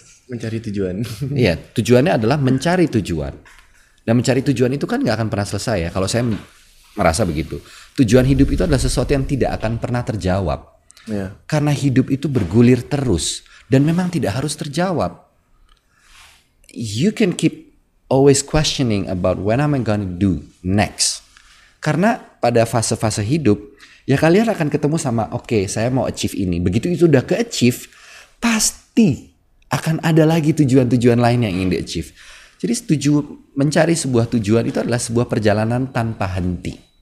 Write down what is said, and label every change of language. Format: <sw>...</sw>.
<id>Mencari tujuan. Iya, tujuannya adalah mencari tujuan. Dan mencari tujuan itu kan gak akan pernah selesai ya, kalau saya merasa begitu. Tujuan hidup itu adalah sesuatu yang tidak akan pernah terjawab. Ya. Karena hidup itu bergulir terus, dan memang tidak harus terjawab.</id> <en>You can keep always questioning about when am I gonna do next.</en> <id>Karena pada fase-fase hidup, ya kalian akan ketemu sama, okay, saya mau achieve ini. Begitu itu udah ke-achieve, pasti akan ada lagi tujuan-tujuan lain yang ingin di-achieve. Jadi mencari sebuah tujuan itu adalah sebuah perjalanan tanpa henti.</id>